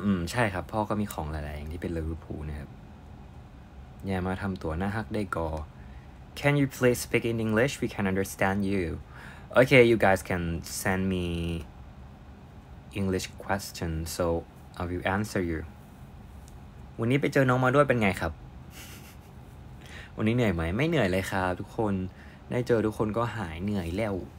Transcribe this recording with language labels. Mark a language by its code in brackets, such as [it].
[th] ใช่ครับพ่อก็มีของหลายๆอย่างที่เป็นลิเวอร์พูลนะครับแย่มาทำตัวหน้าฮักได้ก่อ [en] Can you please speak in English? We can understand you. Okay, you guys can send me English questions, so I will answer you. [th] วันนี้ไปเจอน้องมาด้วยเป็นไงครับวันนี้เหนื่อยไหมไม่เหนื่อยเลยครับทุกคนได้เจอทุกคนก็หายเหนื่อยแล้ว